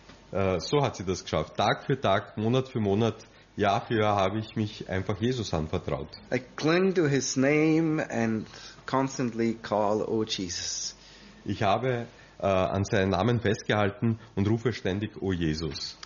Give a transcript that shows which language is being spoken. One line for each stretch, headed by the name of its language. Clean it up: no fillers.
German: So hat sie das geschafft. Tag für Tag, Monat für Monat, Jahr für Jahr habe ich mich einfach Jesus anvertraut.
English: I cling to his name and constantly call, oh Jesus.
German: Ich habe an seinen Namen festgehalten und rufe ständig, oh Jesus.